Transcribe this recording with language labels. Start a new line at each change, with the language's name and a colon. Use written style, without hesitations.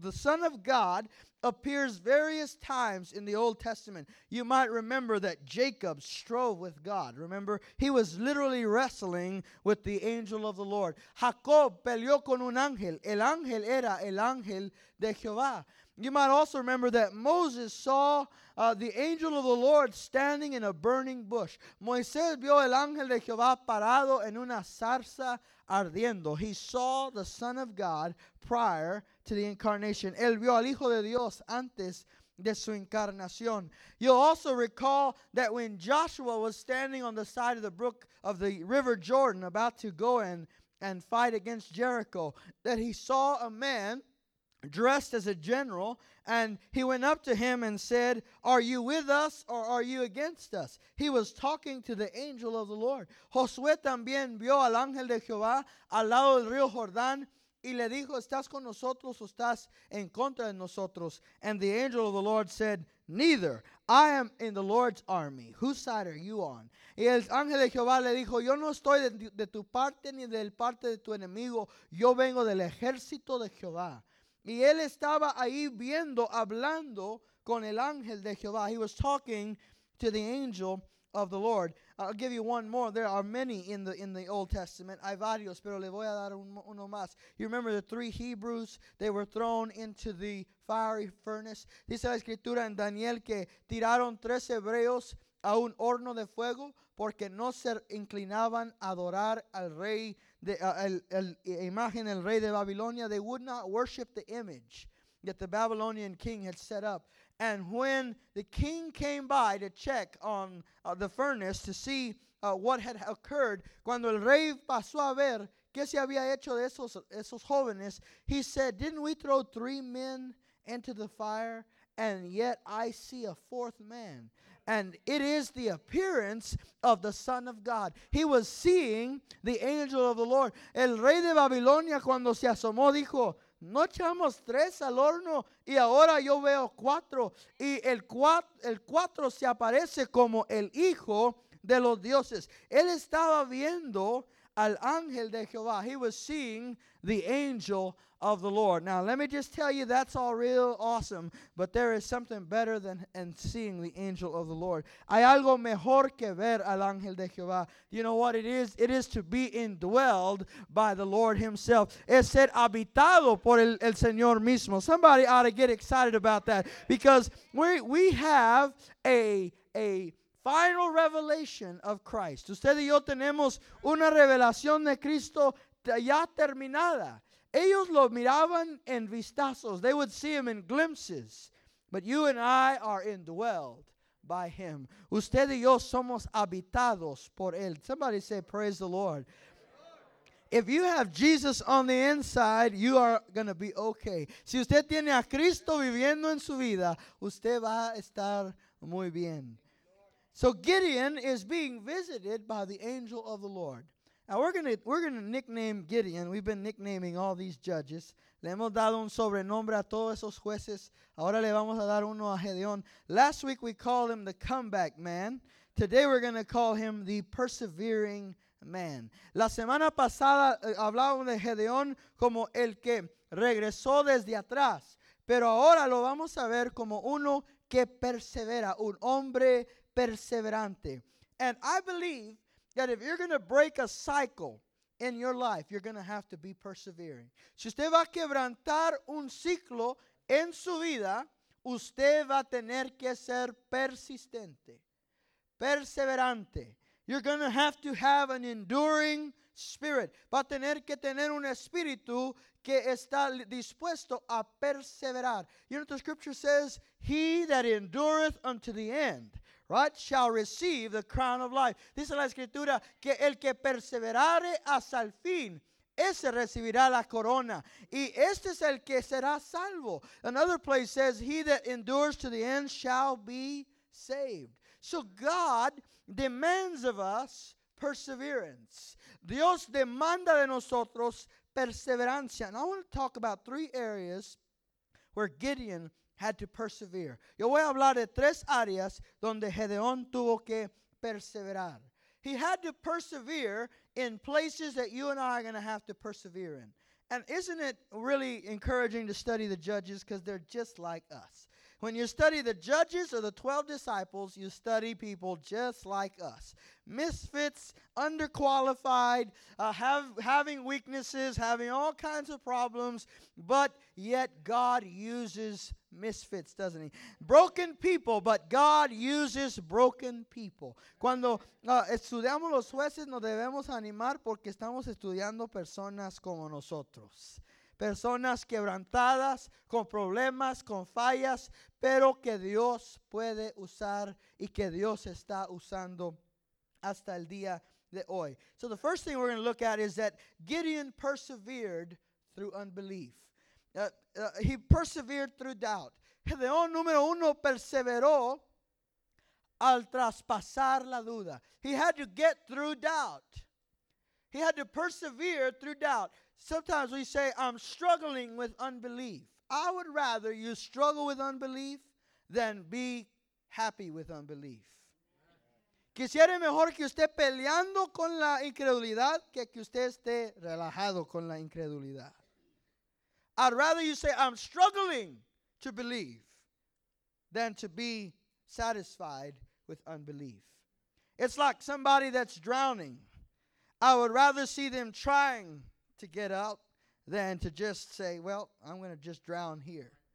English: The Son of God appears various times in the Old Testament. You might remember that Jacob strove with God. Remember, he was literally wrestling with the angel of the Lord.
Spanish: Jacob peleó con un ángel. El ángel era el ángel de Jehová.
English: You might also remember that Moses saw the angel of the Lord standing in a burning bush.
Spanish: Moisés vio el ángel de Jehová parado en una zarza ardiendo.
English: He saw the Son of God prior to the incarnation.
Spanish: Él vio al Hijo de Dios antes de su encarnación.
English: You'll also recall that when Joshua was standing on the side of the brook of the River Jordan about to go in and fight against Jericho, that he saw a man dressed as a general, and he went up to him and said, "Are you with us or are you against us?" He was talking to the angel of the Lord.
Spanish: Josué también vio al ángel de Jehová al lado del río Jordán y le dijo, "¿Estás con nosotros o estás en contra de nosotros?"
English: And the angel of the Lord said, "Neither. I am in the Lord's army. Whose side are you on?"
Spanish: Y el ángel de Jehová le dijo, "Yo no estoy de tu parte ni del parte de tu enemigo. Yo vengo del ejército de Jehová." Y él estaba ahí viendo, hablando con el ángel de Jehová.
English: He was talking to the angel of the Lord. I'll give you one more. There are many in the Old Testament.
Spanish: Hay varios, pero le voy a dar uno más.
English: You remember the three Hebrews? They were thrown into the fiery furnace.
Spanish: Dice la escritura en Daniel que tiraron tres hebreos a un horno de fuego porque no se inclinaban a adorar al rey.
English: They would not worship the image that the Babylonian king had set up. And when the king came by to check on the furnace to see what had occurred,
Spanish: cuando el rey pasó a ver qué se había hecho de esos jóvenes,
English: he said, "Didn't we throw three men into the fire? And yet I see a fourth man. And it is the appearance of the Son of God." He was seeing the angel of the Lord.
Spanish: El rey de Babilonia cuando se asomó dijo, "No echamos tres al horno y ahora yo veo cuatro. Y el cuatro se aparece como el hijo de los dioses." Él estaba viendo al ángel de Jehová.
English: He was seeing the angel of the Lord. Now, let me just tell you, that's all real awesome, but there is something better than seeing the angel of the Lord.
Spanish: Hay algo mejor que ver al ángel de Jehová.
English: You know what it is? It is to be indwelled by the Lord himself.
Spanish: Es ser habitado por el Señor mismo.
English: Somebody ought to get excited about that, because we have a final revelation of Christ.
Spanish: Usted y yo tenemos una revelación de Cristo ya terminada. Ellos lo miraban en vistazos.
English: They would see him in glimpses. But you and I are indwelled by him.
Spanish: Usted y yo somos habitados por él.
English: Somebody say, praise the Lord. If you have Jesus on the inside, you are going to be okay.
Spanish: Si usted tiene a Cristo viviendo en su vida, usted va a estar muy bien.
English: So Gideon is being visited by the angel of the Lord. Now we're gonna nickname Gideon. We've been nicknaming all these judges.
Spanish: Le hemos dado un sobrenombre a todos esos jueces. Ahora le vamos a dar uno a Gideon.
English: Last week we called him the comeback man. Today we're gonna call him the persevering man.
Spanish: La semana pasada hablábamos de Gideon como el que regresó desde atrás. Pero ahora lo vamos a ver como uno que persevera, un hombre perseverante.
English: And I believe that if you're going to break a cycle in your life, you're going to have to be persevering.
Spanish: Si usted va a quebrantar un ciclo en su vida, usted va a tener que ser persistente, perseverante.
English: You're going to have an enduring spirit.
Spanish: Va a tener que tener un espíritu que está dispuesto a perseverar.
English: You know, the scripture says, he that endureth unto the end, right, shall receive the crown of life.
Spanish: Dice la escritura que el que perseverare hasta el fin, ese recibirá la corona. Y este es el que será salvo.
English: Another place says, he that endures to the end shall be saved. So God demands of us perseverance.
Spanish: Dios demanda de nosotros perseverancia.
English: And I want to talk about three areas where Gideon had to persevere.
Spanish: Yo voy a hablar de tres áreas donde Gedeón tuvo que perseverar.
English: He had to persevere in places that you and I are going to have to persevere in. And isn't it really encouraging to study the judges because they're just like us? When you study the judges or the 12 disciples, you study people just like us. Misfits, underqualified, having weaknesses, having all kinds of problems, but yet God uses misfits, doesn't he? Broken people, but God uses broken people.
Spanish: Cuando estudiamos los jueces, nos debemos animar porque estamos estudiando personas como nosotros. Personas quebrantadas, con problemas, con fallas, pero que Dios puede usar y que Dios está usando hasta el día de hoy.
English: So the first thing we're going to look at is that Gideon persevered through unbelief. He persevered through doubt.
Spanish: Gedeón número uno perseveró al traspasar la duda.
English: He had to get through doubt. He had to persevere through doubt. Sometimes we say, I'm struggling with unbelief. I would rather you struggle with unbelief than be happy with unbelief.
Spanish: Quisiera mejor que usted peleando con la incredulidad que usted esté relajado con la incredulidad.
English: I'd rather you say, I'm struggling to believe than to be satisfied with unbelief. It's like somebody that's drowning. I would rather see them trying to get out than to just say, well, I'm going to just drown here.